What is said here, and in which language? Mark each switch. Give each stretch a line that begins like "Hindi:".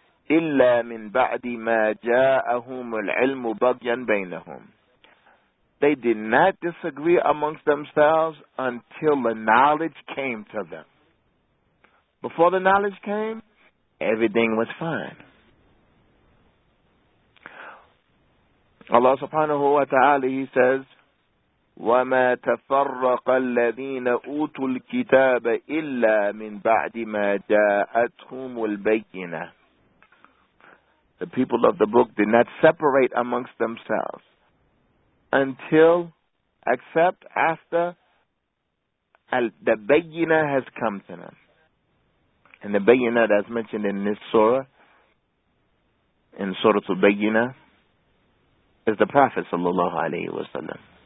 Arabic: إِلَّا مِنْ بَعْدِ مَا جَاءَهُمُ الْعِلْمُ بَغْيًا بَيْنَهُمْ.
English: They did not disagree amongst themselves until the knowledge came to them. Before the knowledge came, everything was fine.
Arabic: Allah subhanahu wa ta'ala,
English: he says,
Arabic: وَمَا تَفَرَّقَ الَّذِينَ أُوتُوا الْكِتَابَ إِلَّا مِنْ بَعْدِ مَا جَاءَتْهُمُ الْبَيِّنَةُ.
English: The people of the book did not separate amongst themselves except after the bayyinah has come to them. And the Bayina that's mentioned in this surah, in Surah Al-Bayina, is the Prophet sallallahu alayhi wa sallam.